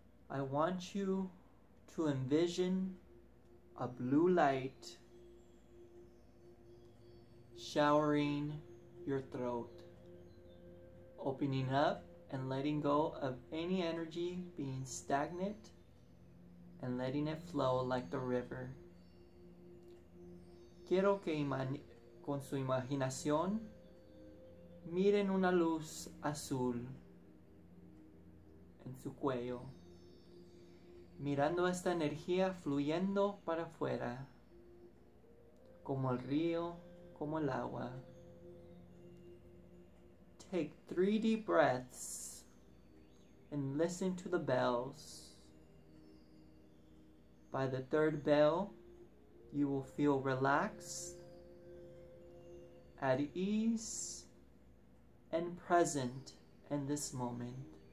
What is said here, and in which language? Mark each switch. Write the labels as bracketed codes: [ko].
[en] I want you to envision a blue light showering your throat, opening up and letting go of any energy being stagnant and letting it flow like the river. [es] Quiero que con su imaginación miren una luz azul en su cuello, mirando esta energía fluyendo para afuera, como el río, como el agua. [en] Take 3 deep breaths and listen to the bells. By the 3rd bell, you will feel relaxed, at ease, and present in this moment.